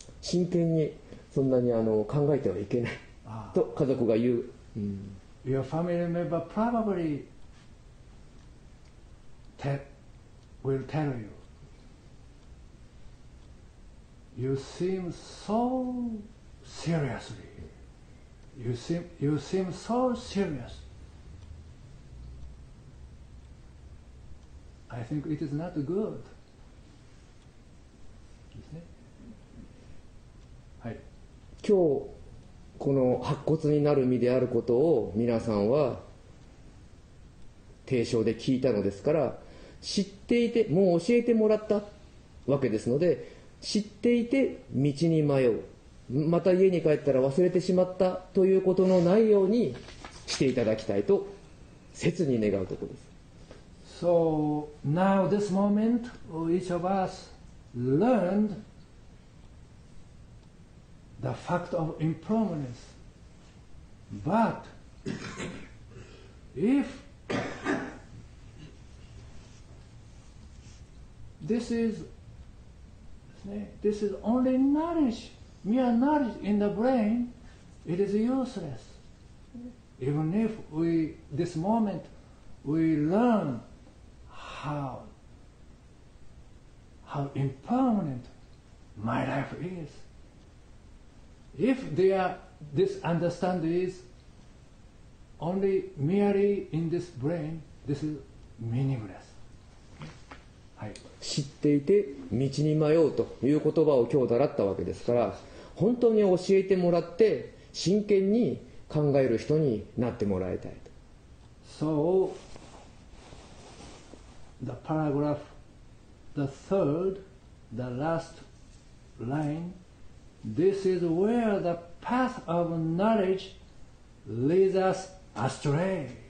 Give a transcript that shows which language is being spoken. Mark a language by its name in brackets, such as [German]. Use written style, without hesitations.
[Japanese] 真剣にそんなに考えてはいけないと家族が言う、 [English] Your family member probably will tell you You seem so seriously You seem so seriousI think it is not good. [Japanese] はい。今日この白骨になる身であることを皆さんは提唱で聞いたのですから、知っていてもう教えてもらったわけですので、知っていて道に迷うまた家に帰ったら忘れてしまったということのないようにしていただきたいと切に願うところです。 [English] So now this moment each of us learned the fact of impermanence. But if this is only nourish, mere nourish in the brain, it is useless. Even if we, this moment, we learn how impermanent my life is. If this understanding is only merely in this brain, this is meaningless. [Japanese] 知っていて道に迷うという言葉を今日習ったわけですから、本当に教えてもらって真剣に考える人になってもらいたいと。 [English] So the paragraph, the third, the last line, this is where the path of knowledge leads us astray.